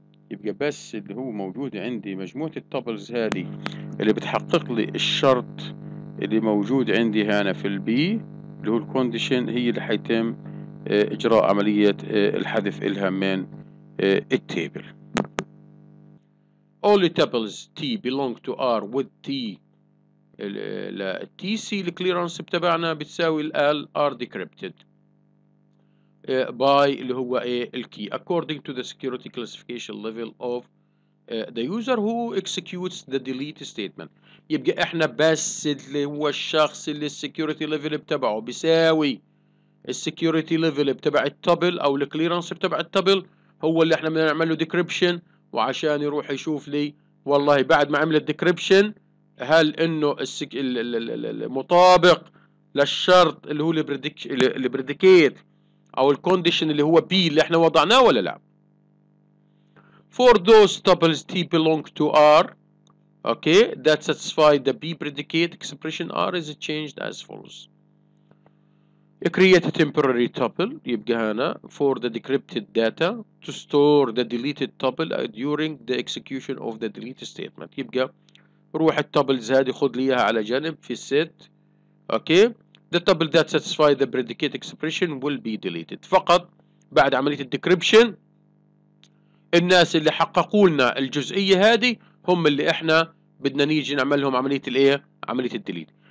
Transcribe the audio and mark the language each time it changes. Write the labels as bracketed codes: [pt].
[ar] يبقى بس اللي هو موجود عندي مجموعة التابلز هذه اللي بتحقق لي الشرط اللي موجود عندي هنا في البي اللي هو الكونديشن هي اللي حيتم إجراء عملية الحذف إلها من التابل. [en] All the tables T belong to R with T ال T C clearance [ar] بتبعنا بتساوي ال [en] L R decrypted by [ar] اللي هو ايه الكي [en] according to the security classification level of the user who executes the delete statement. [ar] يبقى احنا بس اللي هو الشخص اللي السكيورتي ليفل بتبعه بيساوي السكيورتي ليفل بتبع التبل او الكليرنس بتبع التبل هو اللي احنا بنعمل له ديكريبشن، وعشان يروح يشوف لي والله بعد ما عمل الديكريبشن هل انه المطابق للشرط اللي هو البريديكيت او الكونديشن اللي هو بي اللي احنا وضعناه ولا لا. [en] For those tuples t belong to r, okay, that satisfy the b predicate expression r is changed as follows. Create a temporary tuple, [ar] يبقى هنا, [en] for the decrypted data to store the deleted tuple during the execution of the delete statement. [ar] يبقى روح التابلز هذه خد ليها على جانب في set. [en] Okay. The tuple that satisfy the predicate expression will be deleted. [ar] فقط بعد عملية الديكريبشن الناس اللي حققوا لنا الجزئية هذه هم اللي احنا بدنا نيجي نعملهم عملية الايه؟ عملية الديليت.